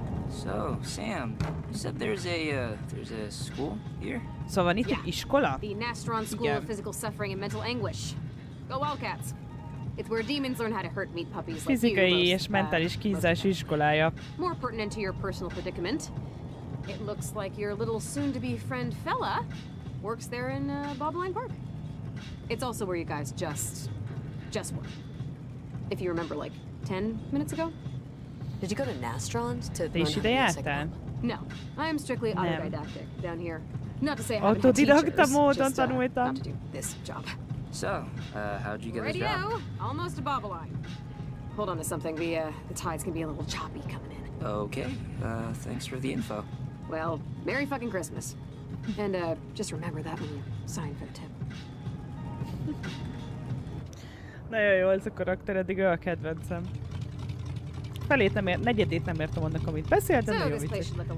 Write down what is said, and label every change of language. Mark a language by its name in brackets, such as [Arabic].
[English] So, Sam, you said there's a school here? [Hungarian] Szóval itt egy iskola? [English] The Nastron School of Physical Suffering and Mental Anguish. Go Wildcats! It's where demons learn how to hurt meat puppies like [Hungarian] fizikai [English] you. [Hungarian] Fizikai és mentális kínzás iskolája. [English] More pertinent to your personal predicament. It looks like your little soon-to-be friend fella works there in Bobline Park. It's also where you guys just were. If you remember, like, 10 minutes ago? Did you go to Nastron to learn how to use a gun? No, I am strictly autodidactic down here. Not to say I haven't had teachers, just got to do this job. So, how'd you get Radio, this job? Radio, almost to Bobline. Hold on to something, the tide's gonna be a little choppy coming in. Okay, thanks for the info. Well, Merry fucking Christmas. And just remember that when you sign for the tip. [Hungarian] Nagyon jó ez a karakter, eddig ő a kedvencem. Felét nem értem, negyedét nem értem annak, amit beszélt, de nagyon vicces.